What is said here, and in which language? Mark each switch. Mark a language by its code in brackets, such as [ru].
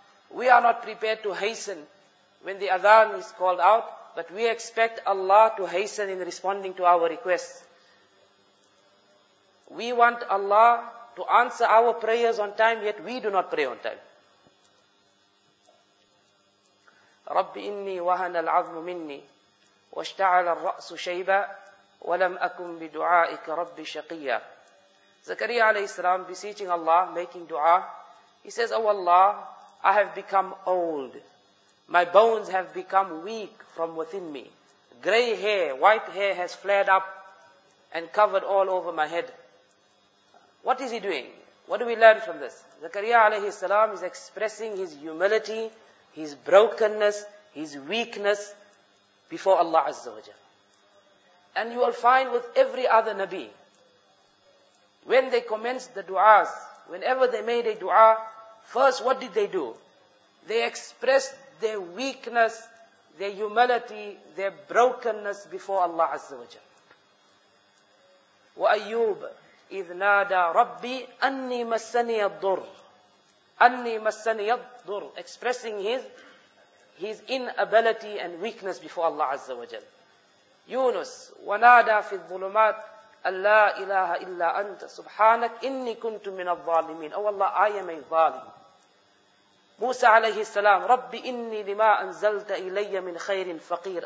[en] We are not prepared to hasten when the adhan is called out, but we expect Allah to hasten in responding to our requests. We want Allah to answer our prayers on time, yet we do not pray on time. [ar] رب إني وهن العظم مني واشتعل الرأس شيبا ولم أكن بدعائك رب شقيا. [en] Zakariya alayhi salam beseeching Allah, making dua, he says, O Allah, I have become old. My bones have become weak from within me. Grey hair, white hair has flared up and covered all over my head. What is he doing? What do we learn from this? Zakariya alayhi salam is expressing his humility, his brokenness, his weakness before Allah Azza wa Jalla. And you will find with every other Nabi, when they commenced the du'as, whenever they made a du'a, first what did they do? They expressed their weakness, their humility, their brokenness before Allah Azza wa Jalla. [ar] وَأَيُّوب إِذْ نَادَى رَبِّي أَنِّي مَسَّنِيَ الضُّرُّ. أَنِّي مَسَّنِيَ الضُّرُّ, [en] expressing his inability and weakness before Allah Azza wa Jal. [ar] Yunus, وَنَادَى فِي الظُّلُمَاتِ أَلَّا إِلَهَ إِلَّا أَنْتَ سُبْحَانَكَ إِنِّي كُنْتُ مِنَ الظَّالِمِينَ. [en] Oh Allah, I am a ظالم. [ar] Musa alayhi salam, رَبِّ إِنِّي لِمَا أَنْزَلْتَ إِلَيَّ مِنْ خَيْرٍ فَقِيرٍ.